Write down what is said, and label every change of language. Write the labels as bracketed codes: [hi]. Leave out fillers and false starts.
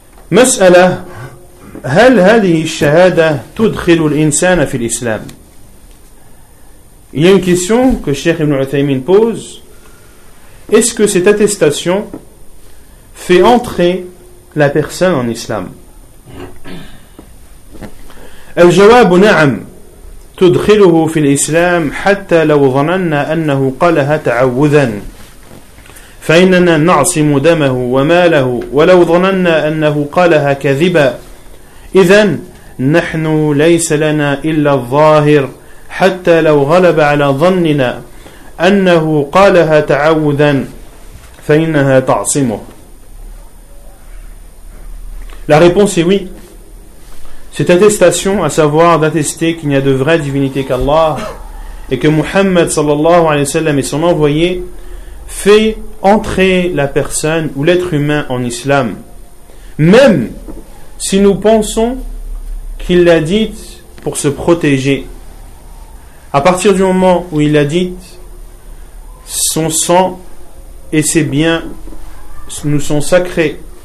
[ar] Mas'ala, هل هذه الشهادة تدخل الإنسان في الإسلام؟ [fr] Il y a une question que Cheikh Ibn Uthaymin pose. Est-ce que cette attestation fait entrer la personne en islam? [ar] الجواب نعم تدخله في الإسلام حتى لو ظننا أنه قالها تعوذا فإننا نعصم دمه وماله ولو ظننا أنه قالها كذبا إذن نحن ليس لنا إلا الظاهر حتى لو غلب على ظننا أنه قالها تعوذا فإنها تعصمه. [fr] La réponse est oui. Cette attestation, à savoir d'attester qu'il n'y a de vraie divinité qu'Allah et que Muhammad sallallahu alayhi wa sallam est son envoyé, fait entrer la personne ou l'être humain en islam. Même si nous pensons qu'il l'a dite pour se protéger, à partir du moment où il l'a dite, son sang et ses biens nous sont sacrés.